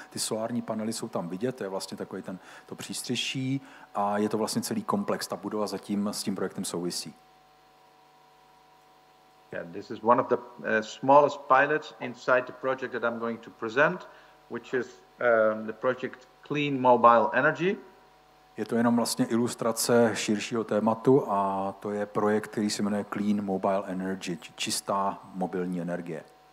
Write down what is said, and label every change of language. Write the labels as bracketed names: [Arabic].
[Czech] Ty solární panely jsou tam vidět, to je vlastně takový ten to přístřeší a je to vlastně celý komplex, ta budova zatím s tím projektem souvisí. [English] Yeah, this is one of the smallest pilots inside the project that I'm going to present, which is the project Clean Mobile Energy. [Czech] Je to jenom vlastně ilustrace širšího tématu a to je projekt, který se jmenuje Clean Mobile Energy, čistá mobilní energie.